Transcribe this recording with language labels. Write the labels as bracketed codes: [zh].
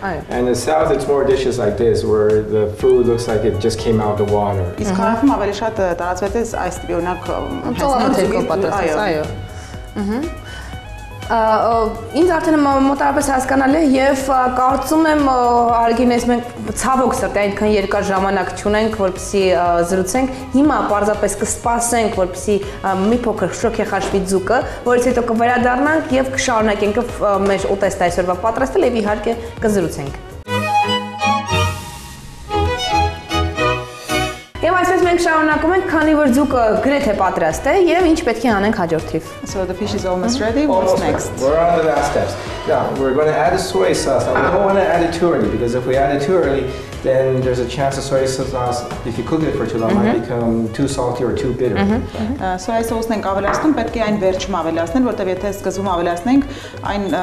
[en] այո։ And the south it's more dishes like this where the food looks like it just came out of the water. [hy] Իսկ քաղաքում ավելի շատ տարածված է այս տիպի, օրինակ հայաստանի պատրաստված, այո։ Ինձ արդեն մոտավորապես հասկանալ է եւ կարծում եմ արգինես մենք ցավոք սրտի այնքան երկար ժամանակ չունենք որպեսզի զրուցենք հիմա պարզապես կսպասենք որպեսզի մի փոքր շոքի խաշվի ձուկը որից հետո կվերադառնանք եւ կշարունակենք մեր ուտեստը այսօրվա պատրաստել եւ իհարկե կզրուցենք Շառնակում ենք, քանի որ ձուկը գրեթե պատրաստ է եւ ինչ պետք է անենք հաջորդիվ։ [en] So the fish is almost ready. What's next? We're on the last steps. Yeah, we're going to add the soy sauce. Now, we don't want to add it too early because if we add it too early, then there's a chance the soy sauce, if you cook it for too long, might become too salty or too bitter. [hy] Soy sauce-ն ենք ավելացնում, պետք է այն վերջում ավելացնել, որտեղ եթե սկզբում ավելացնենք, այն